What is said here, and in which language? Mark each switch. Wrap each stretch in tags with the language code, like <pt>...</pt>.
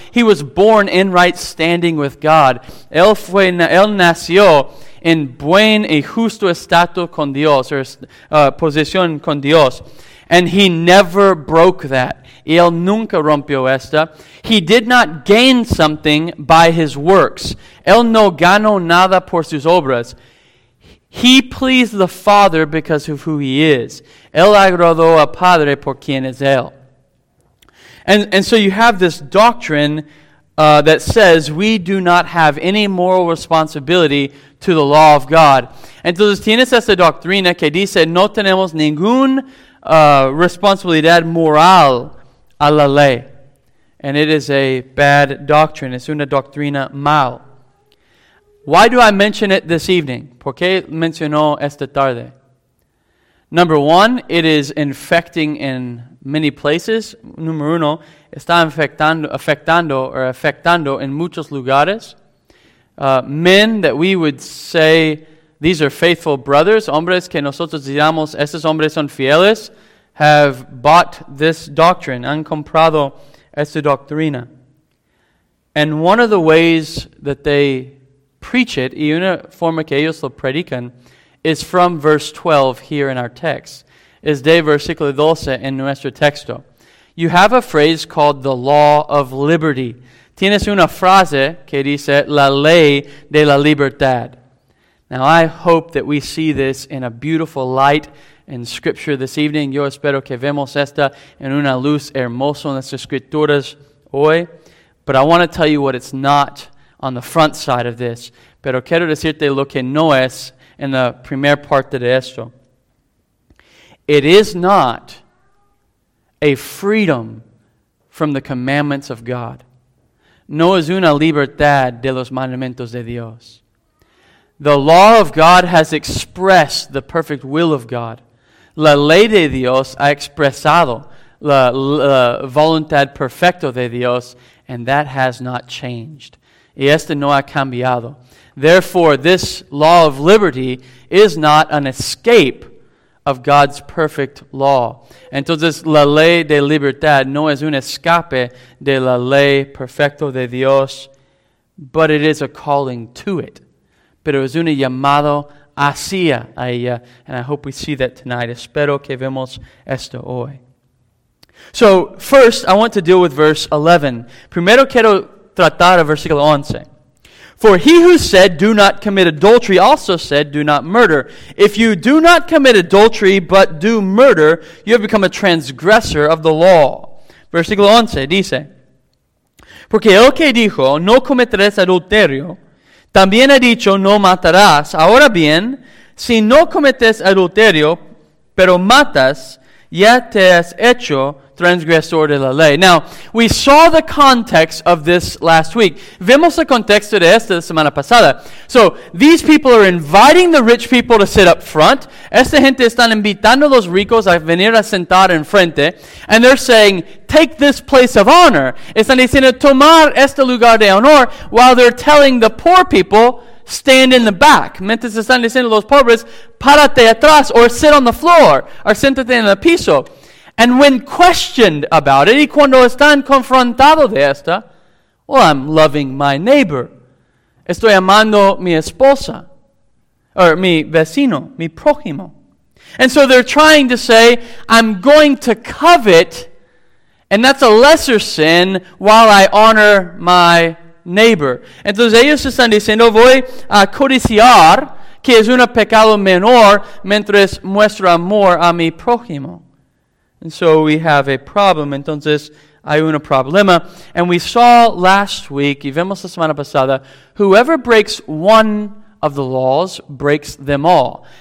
<en>He was born in right standing with God.</en> <es>Él nació en buen y justo estado con Dios, posición con Dios.</es> <en>And he never broke that.</en> <es>Y él nunca rompió esta.</es> <en>He did not gain something by his works.</en> <es>Él no ganó nada por sus obras.</es> <en>He pleased the Father because of who he is.</en> <es>Él agradó al Padre por quien es él.</es> <en>And so you have this doctrine that says we do not have any moral responsibility to the law of God.</en> <es>Entonces tienes esta doctrina que dice no tenemos ningún responsabilidad moral a la ley.</es> <en>And it is a bad doctrine.</en> <es>Es una doctrina mal.</es> <en>Why do I mention it this evening?</en> <es>¿Por qué mencionó esta tarde?</es> <en>Number one, it is infecting in many places.</en> <es>Número uno, está afectando en muchos lugares.</es> <en>Men that we would say, these are faithful brothers,</en> <es>hombres que nosotros digamos, estos hombres son fieles,</es> <en>have bought this doctrine,</en> <es>han comprado esta doctrina.</es> <en>And one of the ways that they preach it,</en> <es>y una forma que ellos lo predican,</es> <en>is from verse 12 here in our text.</en> <es>Es de versículo 12 en nuestro texto.</es> <en>You have a phrase called the law of liberty.</en> <es>Tienes una frase que dice, la ley de la libertad.</es> <en>Now, I hope that we see this in a beautiful light in Scripture this evening.</en> <es>Yo espero que vemos esta en una luz hermosa en las Escrituras hoy.</es> <en>But I want to tell you what it's not on the front side of this.</en> <es>Pero quiero decirte lo que no es en la primera parte de esto.</es> <en>It is not a freedom from the commandments of God.</en> <es>No es una libertad de los mandamientos de Dios.</es> <en>The law of God has expressed the perfect will of God.</en> <es>La ley de Dios ha expresado la voluntad perfecta de Dios,</es> <en>and that has not changed.</en> <es>Y este no ha cambiado.</es> <en>Therefore, this law of liberty is not an escape of God's perfect law.</en> <es>Entonces, la ley de libertad no es un escape de la ley perfecta de Dios,</es> <en>but it is a calling to it.</en> <es>Pero es un llamado hacia ella.</es> <en>And I hope we see that tonight.</en> <es>Espero que vemos esto hoy.</es> <en>So, first, I want to deal with verse 11.</en> <es>Primero quiero tratar el versículo 11.</es> <en>For he who said, do not commit adultery, also said, do not murder. If you do not commit adultery, but do murder, you have become a transgressor of the law.</en> <es>Versículo 11 dice, porque el que dijo, no cometerás adulterio, también ha dicho, no matarás. Ahora bien, si no cometes adulterio, pero matas, ya te has hecho transgresor de la ley.</es> <en>Now, we saw the context of this last week.</en> <es>Vemos el contexto de esta semana pasada.</es> <en>So, these people are inviting the rich people to sit up front.</en> <es>Esta gente están invitando a los ricos a venir a sentar en frente.</es> <en>And they're saying, take this place of honor.</en> <es>Están diciendo, tomar este lugar de honor,</es> <en>while they're telling the poor people, stand in the back.</en> <es>Mientras están diciendo los pobres, párate atrás,</es> <en>or sit on the floor, or</en> <es>siéntate en el piso.</es> <en>And when questioned about it,</en> <es>y cuando están confrontados de esta,</es> <en>well, I'm loving my neighbor.</en> <es>Estoy amando mi esposa. Or mi vecino, mi prójimo.</es> <en>And so they're trying to say, I'm going to covet, and that's a lesser sin, while I honor my neighbor.</en> <es>Entonces ellos están diciendo, voy a codiciar, que es un pecado menor, mientras muestro amor a mi prójimo.</es> <en>And so we have a problem.</en> <es>Entonces, hay un problema.</es> <en>And we saw last week,</en> <es>y vemos la semana pasada,</es> <en>whoever breaks one of the laws breaks them all.</en>